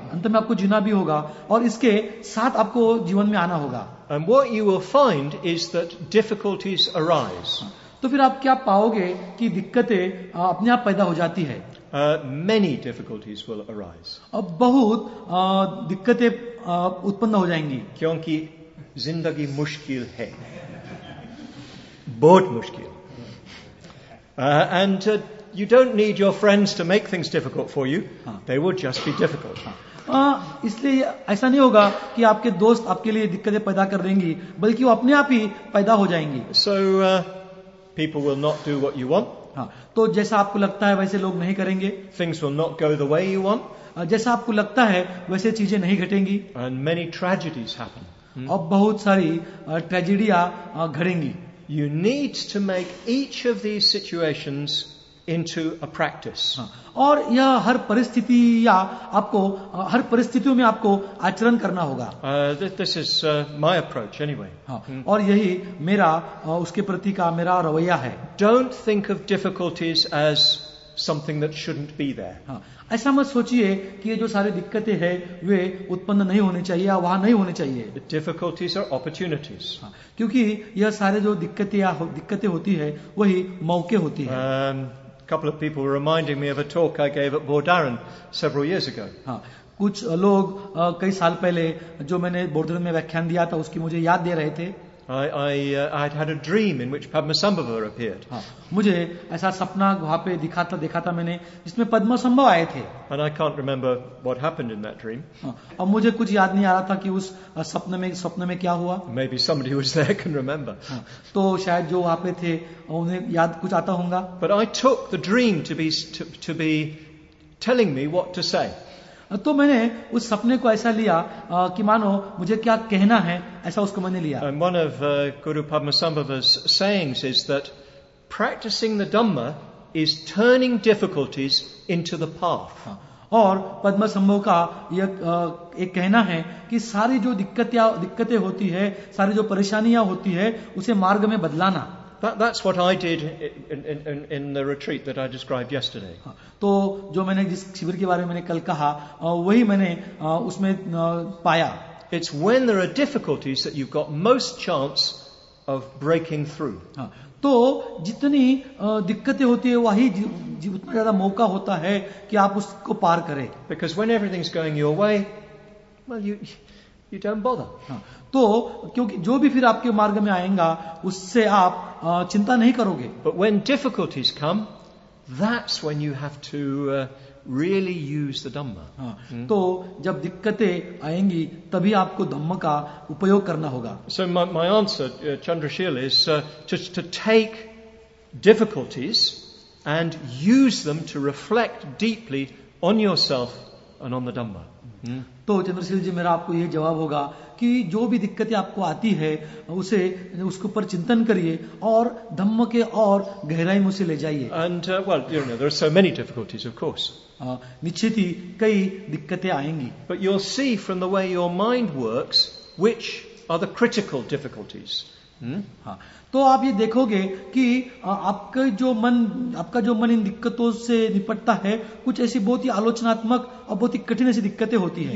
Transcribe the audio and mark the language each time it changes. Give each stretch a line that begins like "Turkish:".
Hindi: अंत में आपको जीना भी होगा और इसके साथ आपको जीवन में आना होगा.
English: And what you will find is that difficulties arise.
Hindi: तो फिर आप क्या पाओगे कि दिक्कतें अपने आप पैदा हो जाती है.
English: Many difficulties will arise.
Hindi: अब बहुत दिक्कतें उत्पन्न हो जाएंगी. क्योंकि जिंदगी मुश्किल है. बहुत मुश्किल.
English: And you don't need your friends to make things difficult for you. They will just be difficult.
Hindi: इसलिए ऐसा नहीं होगा कि आपके दोस्त आपके लिए दिक्कतें पैदा कर देंगी, बल्कि वो अपने आप ही पैदा हो जाएंगी.
English: So people will not do what you want.
Hindi: तो जैसा आपको लगता है वैसे लोग नहीं करेंगे.
English: Things will not go the way you want.
Hindi: जैसा आपको लगता है वैसे चीजें नहीं घटेंगी.
English: And many tragedies happen.
Hindi: अब बहुत सारी ट्रेजेडियां घड़ेंगी.
English: You need to make each of these situations into a practice.
Hindi: और यह हर परिस्थिति या आपको हर परिस्थितियों में आपको आचरण करना होगा.
English: This is my approach anyway.
Hindi: और यही मेरा उसके प्रति का मेरा रवैया है.
English: Don't think of difficulties as something that shouldn't be there.
Hindi: ऐसा मत सोचिए कि ये जो सारी दिक्कतें हैं वे उत्पन्न नहीं होने चाहिए या वहां नहीं होने चाहिए.
English: Difficulties are opportunities.
Hindi: क्योंकि यह सारे जो दिक्कतें होती है वही मौके होती है.
English: Couple of people were reminding me of a talk I gave at Bordaran several years ago.
Hindi: कुछ लोग कई साल पहले जो मैंने बोर्डरन में व्याख्यान दिया था उसकी मुझे याद दे रहे थे.
English: I had a dream in which Padmasambhava appeared.
Hindi: मुझे ऐसा सपना वहाँ पे देखा था मैंने जिसमें पद्मसंभव आए थे.
English: And I can't remember what happened in that dream.
Hindi: और मुझे कुछ याद नहीं आ रहा था कि उस सपने में क्या हुआ.
English: Maybe somebody who was there can remember.
Hindi: तो शायद जो वहाँ पे थे उन्हें याद कुछ आता होगा.
English: But I took the dream to be telling me what to say.
Hindi: तो मैंने उस सपने को ऐसा लिया कि मानो मुझे क्या कहना है ऐसा उसको मैंने लिया.
English: And one of Guru Padmasambhava's sayings is that practicing the Dhamma is turning difficulties into the path.
Hindi: और पद्मसंभव का यह एक कहना है कि सारी जो दिक्कतें होती है, सारी जो परेशानियां होती है, उसे मार्ग में बदलाना।
English: That's what I did in the retreat that I described yesterday.
Hindi: तो जो मैंने जिस शिविर के बारे में मैंने कल कहा, वही मैंने उसमें पाया।
English: It's when there are difficulties that you've got most chance of breaking through.
Hindi: तो जितनी दिक्कतें होती है वही उतना ज्यादा मौका होता है कि आप उसको पार करें।
English: Because when everything's going your way, well, you don't bother.
Hindi: तो क्योंकि जो भी फिर आपके मार्ग में आएगा उससे आप चिंता नहीं करोगे।
English: But when difficulties come, that's when you have to really use the Dhamma.
Hindi: तो जब दिक्कतें आएंगी तभी आपको धम्म का उपयोग करना होगा।
English: So my answer, Chandrashil, is to take difficulties and use them to reflect deeply on yourself and on the Dhamma.
Hindi: तो चंद्रशील जी, मेरा आपको यह जवाब होगा कि जो भी दिक्कतें आपको आती है उसे उसके ऊपर चिंतन करिए और धम्म के और गहराई में उसे ले जाइए।
English: And well, you know, there are so many difficulties, of course.
Hindi: निश्चित ही कई दिक्कतें आएंगी।
English: But you'll see from the way your mind works which are the critical difficulties.
Hindi: तो आप ये देखोगे कि आपका जो मन इन दिक्कतों से निपटता है, कुछ ऐसी बहुत ही आलोचनात्मक और बहुत ही कठिन ऐसी दिक्कतें होती हैं।